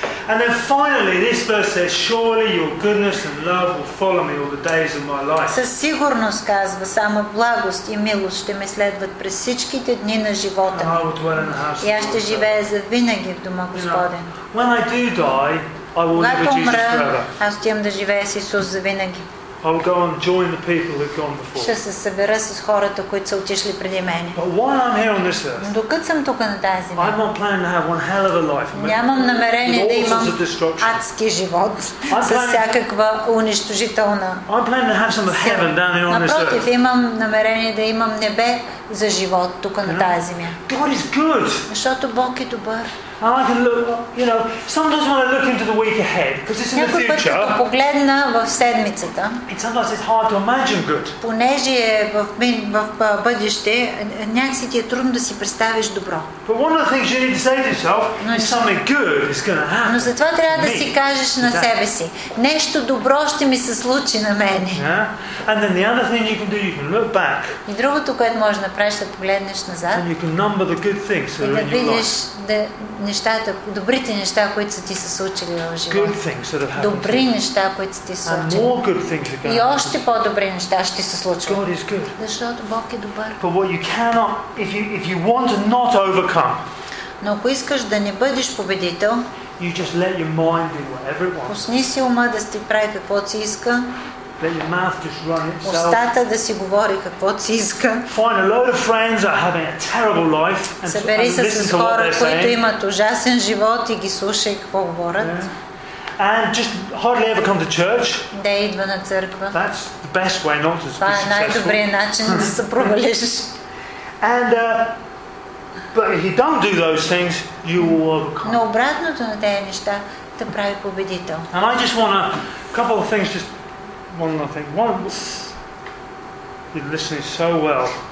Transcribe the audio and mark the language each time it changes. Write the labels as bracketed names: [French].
[English] And then finally this verse says, surely your goodness and love will follow me all the days of my life. [Bulgarian] Със сигурност казва, само благост и милост ще ме следват през всичките дни на живота. [English] And I will dwell in the house of God. [Bulgarian] И аз ще живея завинаги в дома Господен. [English] When I do die, I will live with Jesus forever. [Bulgarian] Аз отивам да живея с Исус завинаги. [English] I will go and join the people who've gone before. [Bulgarian] Ще се събера с хората, които са отишли преди мен. [English] But while I'm here on this earth, [Bulgarian] докато съм тук на тази земя, [English] I'm not planning to have one hell of a life. [Bulgarian] Нямам намерение да имам адски живот с всякаква унищожителна. [English] I'm planning to have some of heaven down here on this earth. [Bulgarian] Напротив, имам намерение да имам небе за живот тук на тази земя. [English] God is good. [Bulgarian] Защото Бог е добър. [English] I like to look, you know, sometimes when I look into the week ahead, because it's in the future. [Bulgarian] Някой път като погледна в седмицата. [English] And sometimes it's hard to imagine good. [Bulgarian] Понеже е в бъдеще, някакси ти е трудно да си представиш добро. [English] But one of the things you need to say to yourself is something good is going to happen. [Bulgarian] Но затова трябва да си кажеш на себе си, нещо добро ще ми се случи на мене. [English] Yeah. And then the other thing you can do, you can look back. [Bulgarian] И другото, което можеш да направиш, да погледнеш назад. [English] And you can number the good things that are in your life. [Bulgarian] И да видиш нещата, добрите неща, които са ти се случили в живота. Добри неща, които са ти се случили. И още по-добри неща ще се случат. Защото Бог е добър. [English] But what you cannot, if you want to not overcome. [Bulgarian] Но ако искаш да не бъдеш победител, [English] you just let your mind be whatever it wants. [Bulgarian] Пусни си ума да си прави каквото си иска. [English] Let your mouth just run itself. [Bulgarian] Устата да си говори каквото си иска. [English] Find a load of friends that are having a terrible life and listen to what they're saying. [Bulgarian] Събери с хора, които имат ужасен живот и ги слушай какво говорят. [English] And just hardly ever come to church. [Bulgarian] Да идва на църква. [English] That's the best way not to be successful. [Bulgarian] Това е най-добрият начин да се провалиш. [English] And but if you don't do those things, you will overcome. [Bulgarian] Но обратното на тези неща те прави победител. [English] And I just want a couple of things just. One, I think. One, You're listening so well.